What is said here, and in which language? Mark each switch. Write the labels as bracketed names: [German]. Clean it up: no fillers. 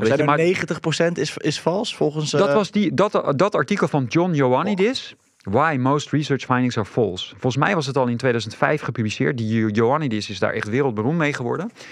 [Dutch] Weet je, maar 90% is vals volgens... Dat artikel van John Ioannidis... [English] Why most research findings are false. [Dutch] Volgens mij was het al in 2005 gepubliceerd. Die Ioannidis is daar echt wereldberoemd mee geworden.